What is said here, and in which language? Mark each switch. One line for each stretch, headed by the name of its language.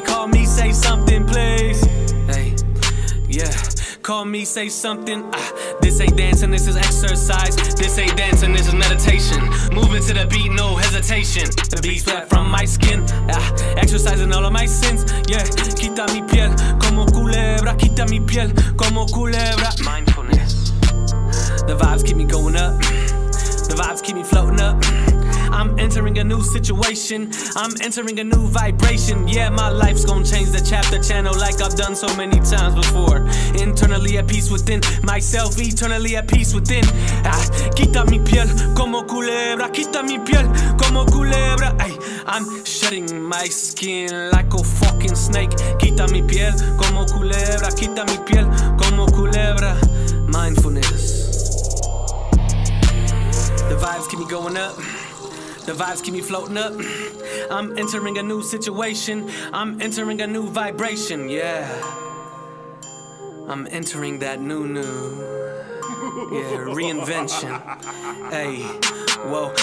English: Call me, say something, please. Hey, yeah. Call me, say something. This ain't dancing, this is exercise. This ain't dancing, this is meditation. Moving to the beat, no hesitation. The beat sweat from my skin. Exercising all of my sins.
Spanish: Yeah, quita mi piel como culebra. Quita mi piel como culebra.
English: Mindfulness. The vibes keep me going up. The vibes keep me floating up. I'm entering a new situation. I'm entering a new vibration. Yeah, my life's gonna change the chapter channel like I've done so many times before. Internally at peace within myself, eternally at peace within.
Spanish: Quita mi piel como culebra. Quita mi piel como culebra.
English: Ay, I'm shedding my skin like a fucking snake.
Spanish: Quita mi piel como culebra. Quita mi piel como culebra.
English: Mindfulness. The vibes keep me going up. The vibes keep me floating up. I'm entering a new situation. I'm entering a new vibration. Yeah. I'm entering that new. Yeah, reinvention. Hey, whoa.